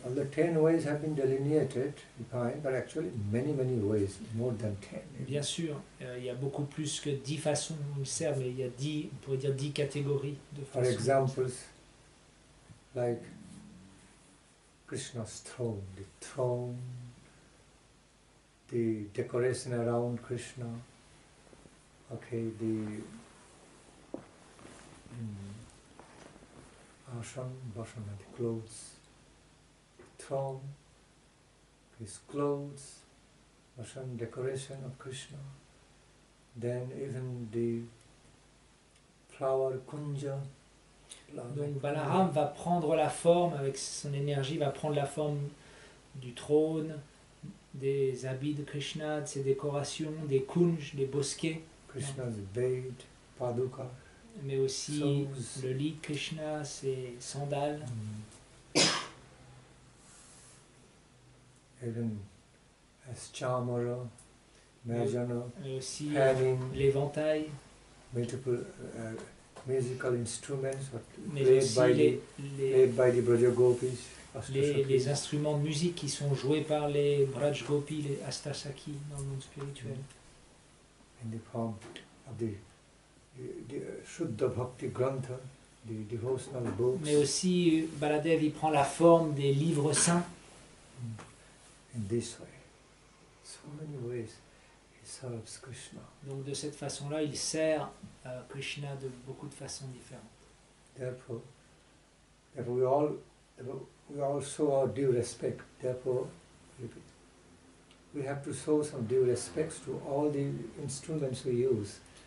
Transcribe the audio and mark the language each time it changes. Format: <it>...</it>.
<en>All the 10 ways have been delineated behind, but actually many, many ways, more than 10.</en> <fr>Bien sûr, il y a beaucoup plus que 10 façons où il sert, mais il y a 10, on pourrait dire 10 catégories de façons.</fr> <en>For examples, like Krishna's throne, the decoration around Krishna, okay, the Ashan, Bhashana, the clothes, throne, his clothes, Ashan, decoration of Krishna, then even the flower, Kunja.</en> <fr>Donc Balaram va prendre la forme, avec son énergie, va prendre la forme du trône, des habits de Krishna, de ses décorations, des Kunj, des bosquets.</fr> <en>Krishna's bed, Paduka.</en> <fr>Mais aussi le lit Krishna, ses sandales.</fr> <en>Even as chamara, majana,</en> <fr>mais aussi l'éventail.</fr> <en>Multiple musical instruments played by the Braja Gopis.</en> <fr>Les instruments de musique qui sont joués par les Braj Gopis, les Astasakhi dans le monde spirituel.</fr> <en>In the form of the Shuddha Bhakti Grantha, the devotional books.</en> <fr>Mais aussi, Baladev, il prend la forme des livres saints.</fr> <en>In this way, so many ways, he serves Krishna.</en> <fr>Donc de cette façon-là, il sert Krishna de beaucoup de façons différentes.</fr> <en>Therefore, we also our due respect. Therefore, we have to show some due respects to all the instruments we use.</en>